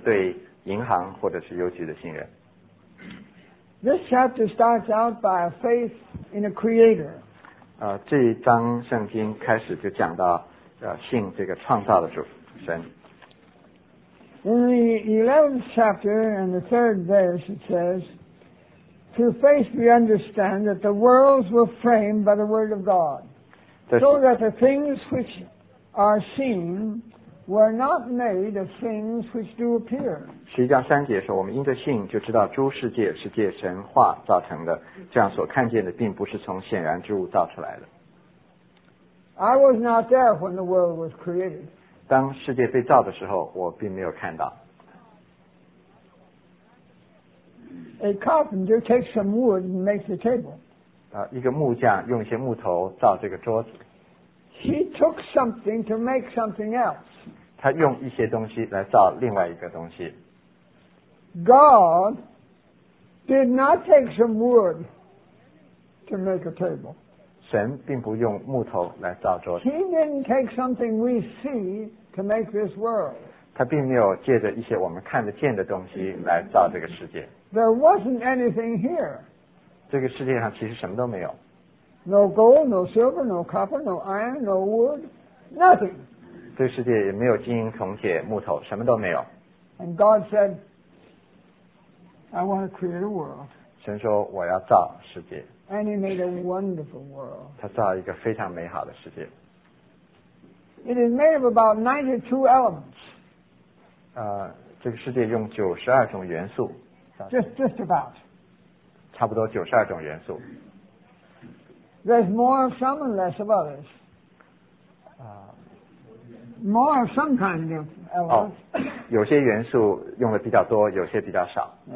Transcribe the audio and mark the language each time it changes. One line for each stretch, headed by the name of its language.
Chinese: 我相信神超过我对银行或者是邮局的信任。
English: This chapter starts out by a faith in a creator.
Chinese: 这一章圣经开始就讲到信这个创造的主神。
English: In the 11th chapter and the 3rd verse it says, Through faith we understand that the worlds were framed by the word of God, so that the things which are seen were not made of things which do appear.
Chinese: 11章3节说，我们因着信就知道诸世界是借神话造成的，这样所看见的并不是从显然之物造出来的。
English: I was not there when the world was created.
Chinese: 当世界被造的时候，我并没有看到。
English: A carpenter takes some wood and makes a table.
Chinese: 一个木匠用一些木头造这个桌子。
English: He took something to make something else.
Chinese: 他用一些东西来造另外一个东西。
English: God did not take some wood to make a table.
Chinese: 神并不用木头来造桌子。
English: He didn't take something we see to make this world.
Chinese: 他并没有借着一些我们看得见的东西来造这个世界。
English: There wasn't anything here.
Chinese: 这个世界上其实什么都没有。
English: No gold, no silver, no copper, no iron, no wood, nothing.
Chinese: 这个世界也没有金银铜铁木头，什么都没有。
English: And God said, I want to create a world.
Chinese: 神说我要造世界。
English: And he made a wonderful world.
Chinese: 他造一个非常美好的世界。
English: It is made of about 92 elements.
Chinese: 这个世界用92种元素。
English: Just about.
Chinese: 差不多92种元素。
English: There's more of some and less of others. More of some kind of elements.
Chinese: 有些元素用的比较多，有些比较少。